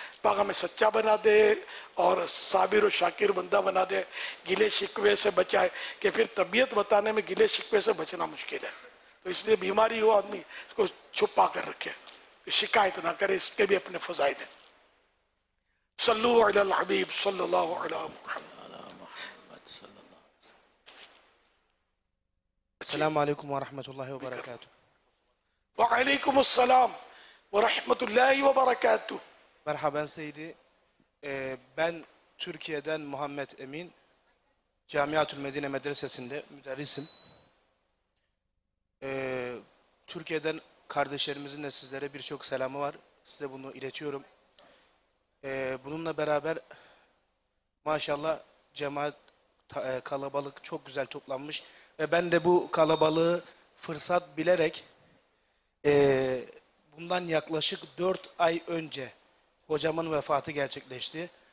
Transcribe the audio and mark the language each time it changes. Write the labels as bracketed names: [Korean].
[Urdu] پاک ہمیں سچا بنا دے اور صابر و شاکر بندہ بنا دے، گلے شکوے سے بچائے، کہ پھر طبیعت بتانے میں گلے شکوے سے بچنا مشکل ہے، تو اس لیے بیماری ہو آدمی اس کو چھپا کر رکھے، شکایت نہ کرے، اس کے بھی اپنے فضائل ہیں۔ صلو علی الحبیب صلی اللہ علیہ محمد۔ [Arabic] السلام علیکم ورحمۃ اللہ وبرکاتہ۔ وعلیکم السلام ورحمۃ اللہ وبرکاتہ۔ مرحبا سیدی، [Turkish] ben Türkiye'den Muhammed Emin, Camiatul Medine Medresesi'nde müderrisim. Türkiye'den kardeşlerimizin de sizlere birçok selamı var. Size bunu iletiyorum. Bununla beraber maşallah cemaat kalabalık çok güzel toplanmış. Ve ben de bu kalabalığı fırsat bilerek bundan yaklaşık 4 ay önce hocamın vefatı gerçekleşti.